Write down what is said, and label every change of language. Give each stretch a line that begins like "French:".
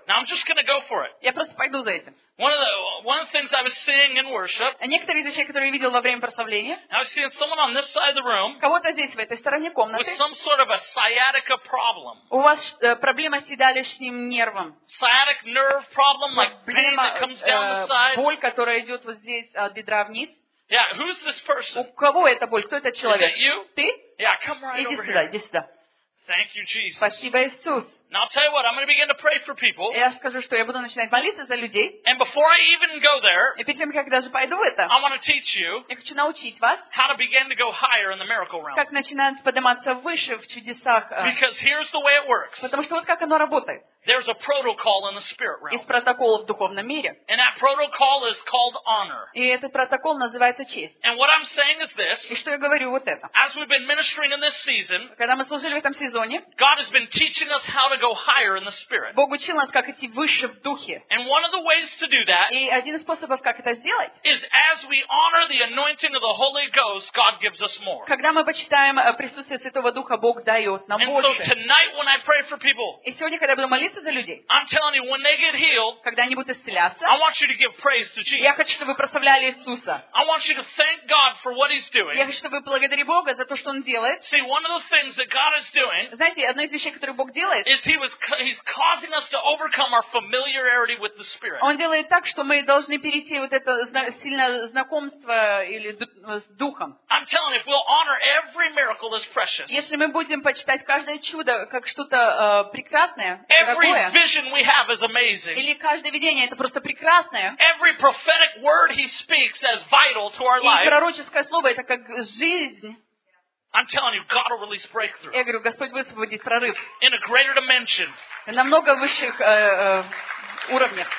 English: Now I'm just going to go for it.
Russian: Я просто пойду за этим.
English: One of the things I was seeing in worship.
Russian: Некоторые из вещей, которые я видел во время прославления.
English: I was seeing someone on this side of the room.
Russian: Кого-то здесь в этой стороне комнаты.
English: With some sort of a sciatica problem.
Russian: У вас проблема с седалищным нервом.
English: Sciatic nerve problem, like pain that comes down the side.
Russian: Боль, которая идет вот здесь от бедра вниз.
English: Yeah, who's this person?
Russian: У кого эта боль? Кто этот человек?
English: Is it you?
Russian: Ты?
English: Yeah, come right
Russian: иди
English: over
Russian: сюда,
English: here.
Russian: Иди сюда.
English: Thank you, Jesus.
Russian: Спасибо, Иисус.
English: Now I'll tell you what, I'm going to begin to pray for people.
Russian: Я скажу, что я буду начинать молиться за людей.
English: And before I even go there,
Russian: и перед тем, как я даже пойду в это,
English: I want to teach you,
Russian: я хочу научить вас,
English: how to begin to go higher in the miracle realm.
Russian: Как начинать подниматься выше в чудесах.
English: Because here's the way it works.
Russian: Потому что вот как оно работает.
English: There's a protocol in the spirit realm.
Russian: Есть протокол в духовном мире.
English: And that protocol is called honor.
Russian: И этот протокол называется честь.
English: And what I'm saying is this.
Russian: И что я говорю вот это.
English: As we've been ministering in this season,
Russian: когда мы служили в этом сезоне,
English: God has been teaching us how to go higher in the spirit.
Russian: Бог учил нас, как идти выше в духе.
English: And one of the ways to do that.
Russian: И один из способов, как это сделать,
English: is as we honor the anointing of the Holy Ghost, God gives us more.
Russian: Когда мы почитаем присутствие Святого Духа, Бог дает нам
English: and
Russian: больше.
English: And so tonight, when I pray for people.
Russian: И сегодня, когда я буду молиться за людей.
English: I'm telling you, when they get healed,
Russian: когда они будут исцеляться,
English: I want you to give praise to Jesus.
Russian: Я хочу, чтобы вы прославляли Иисуса.
English: I want you to thank God for what He's doing.
Russian: Я хочу, чтобы вы благодарили Бога за то, что Он делает.
English: See, one of the things that God is doing.
Russian: Знаете, одна из вещей, которую Бог делает,
English: is He he's causing us to overcome our familiarity with the Spirit.
Russian: Он делает так, что мы должны перейти вот это сильное знакомство или с духом.
English: I'm telling you, if we'll honor every miracle as precious.
Russian: Если мы будем почитать каждое чудо как что-то прекрасное,
English: every vision we have is amazing.
Russian: Или каждое видение это просто прекрасное.
English: Every prophetic word he speaks is vital to our life.
Russian: И пророческое слово это как жизнь.
English: I'm telling you, God will release breakthrough.
Russian: Я говорю, Господь высвободит прорыв.
English: In a greater dimension.
Russian: На много высших уровнях.